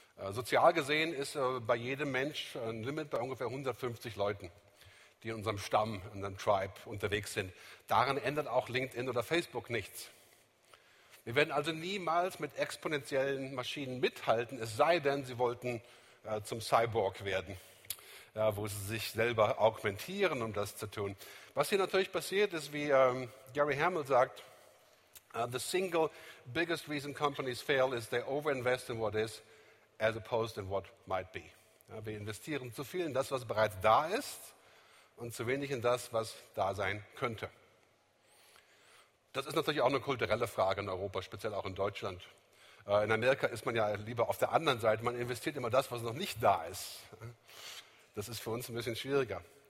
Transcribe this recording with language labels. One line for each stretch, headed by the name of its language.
German: Sozial gesehen ist bei jedem Mensch ein Limit bei ungefähr 150 Leuten, die in unserem Stamm, in unserem Tribe unterwegs sind. Daran ändert auch LinkedIn oder Facebook nichts. Wir werden also niemals mit exponentiellen Maschinen mithalten, es sei denn, sie wollten zum Cyborg werden, ja, wo sie sich selber augmentieren, um das zu tun. Was hier natürlich passiert ist, wie Gary Hamel sagt,
English: the single biggest reason companies fail is they overinvest in what is as opposed in what might be.
German: Ja, wir investieren zu viel in das, was bereits da ist und zu wenig in das, was da sein könnte. Das ist natürlich auch eine kulturelle Frage in Europa, speziell auch in Deutschland. In Amerika ist man ja lieber auf der anderen Seite. Man investiert immer das, was noch nicht da ist. Das ist für uns ein bisschen schwieriger.